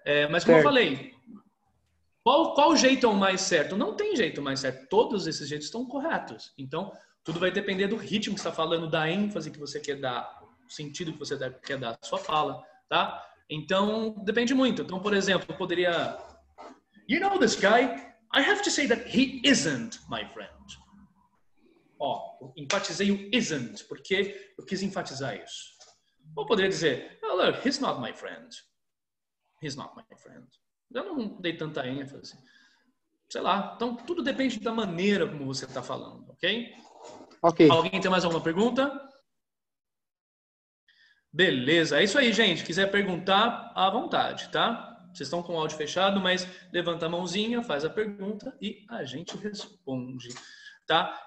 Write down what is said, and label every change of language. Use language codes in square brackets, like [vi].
[pt] Mas como eu falei, qual jeito é o mais certo? Não tem jeito mais certo, todos esses jeitos estão corretos. Então, tudo vai depender do ritmo que você está falando, da ênfase que você quer dar, o sentido que você quer dar à sua fala, tá? Então, depende muito. Então, por exemplo, eu poderia... [en] You know this guy? I have to say that he isn't my friend. [pt] Ó, enfatizei o isn't, porque eu quis enfatizar isso. Ou poderia dizer, [en] oh, look, he's not my friend. He's not my friend. [pt] Eu não dei tanta ênfase. Sei lá. Então, tudo depende da maneira como você está falando, ok? Ok. Alguém tem mais alguma pergunta? Beleza, é isso aí, gente. Quiser perguntar, à vontade, tá? Vocês estão com o áudio fechado, mas levanta a mãozinha, faz a pergunta e a gente responde, tá?